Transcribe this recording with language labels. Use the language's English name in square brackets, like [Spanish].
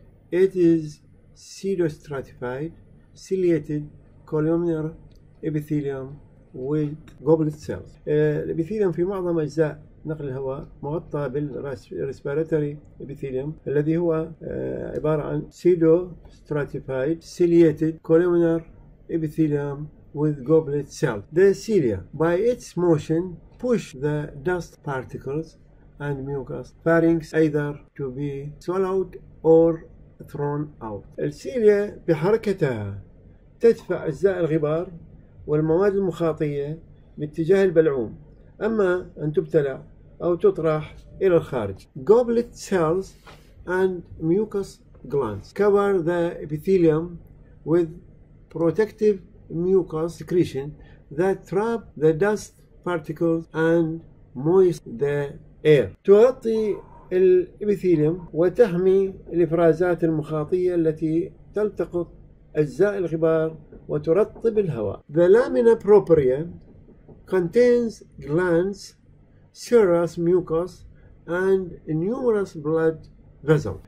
[English] It is pseudostratified, ciliated, columnar epithelium with goblet cells. [Arabic] الإبيثيليوم في معظم أجزاء نقل الهواء مغطى بالرسبيراتوري إبيثيليوم الذي هو عبارة عن [English] pseudostratified, ciliated, columnar epithelium with goblet cells. The cilia, by its motion, push the dust particles and mucus pharynx either to be swallowed or thrown out. [Arabic] السيليا بحركتها تدفع أجزاء الغبار والمواد المخاطية باتجاه البلعوم، أما أن تبتلع أو تطرح إلى الخارج. [English] Goblet cells and mucus glands cover the epithelium with protective mucus secretion that trap the dust particles and moist the air. [Arabic] تغطي الإبيثيليوم وتحمي الإفرازات المخاطية التي تلتقط أجزاء الغبار وترطب الهواء. [English] The lamina propria contains glands, serous mucus, and numerous blood vessels.